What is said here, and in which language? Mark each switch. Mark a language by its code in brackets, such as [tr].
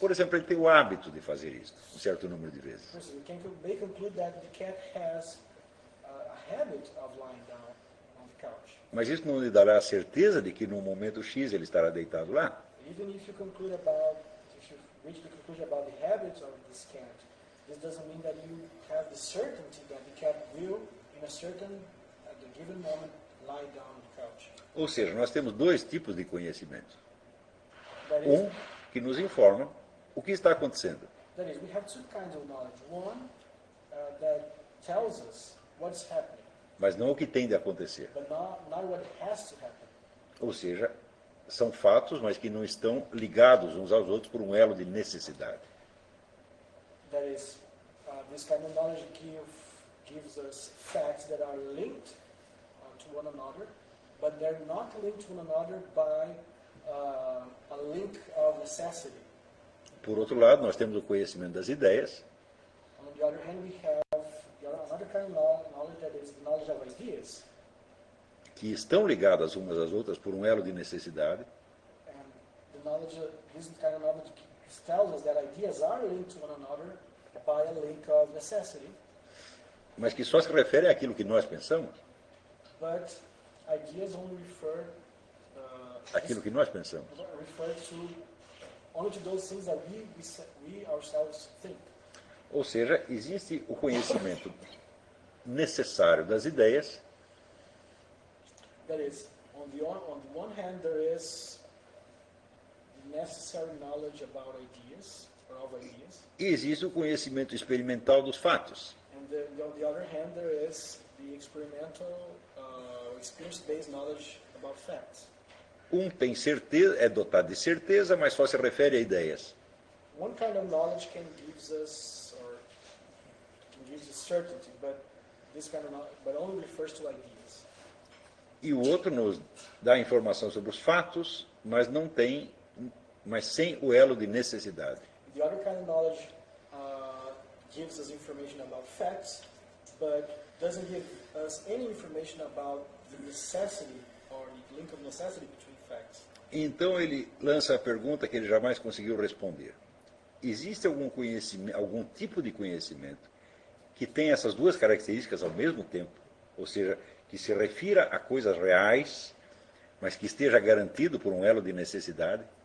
[pt] Por exemplo, ele tem o hábito de fazer isso um certo número de vezes. [en] May conclude that the cat has a habit of lying down on the couch. [pt] Mas isso não lhe dará a certeza de que num momento X ele estará deitado lá? [en] Even if you conclude about, if you reach the conclusion about the habits of this cat, this doesn't mean that you have the certainty that the cat will, in a certain, at the given moment, lie down on the couch. [pt] Ou seja, nós temos dois tipos de conhecimento. Um que nos informa o que está acontecendo. [en] That is, we have two kinds of knowledge. One that tells us what's happening. [pt] Mas não o que tem de acontecer. [en] But not what has to happen. [pt] Ou seja, são fatos, mas que não estão ligados uns aos outros por um elo de necessidade. [en] That is, this kind of knowledge gives us facts that are linked to one another. But they're not linked to one another by a link of necessity. [pt] Por outro lado, nós temos o conhecimento das ideias. [en] On the other hand, we have another kind of knowledge that is the knowledge of ideas. [pt] Que estão ligadas umas às outras por um elo de necessidade. [en] And the knowledge, this kind of knowledge tells us that ideas are linked to one another by a link of necessity. [pt] Mas que só se refere àquilo que nós pensamos. [en] But ideas only refer [pt] aquilo que nós pensamos. [en] Refer to only to those things that we ourselves think. [pt] Ou seja, existe o conhecimento necessário das ideias. [en] That is, on the one hand, there is necessary knowledge about ideas, or of ideas. [pt] E existe o conhecimento experimental dos fatos. [en] And on the other hand, there is the experimental, experience-based knowledge about facts. [pt] Um tem certeza, é dotado de certeza, mas só se refere a ideias. [en] One kind of knowledge can give us or can give us certainty, but this kind of knowledge, but only refers to ideas. [pt] E o outro nos dá informação sobre os fatos, mas não tem, mas sem o elo de necessidade. [en] The other kind of knowledge gives us information about facts, but doesn't give us any information about the necessity or the link of necessity between facts. [pt] Então ele lança a pergunta que ele jamais conseguiu responder. Existe algum conhecimento, algum tipo de conhecimento que tem essas duas características ao mesmo tempo, ou seja, que se refira a coisas reais, mas que esteja garantido por um elo de necessidade?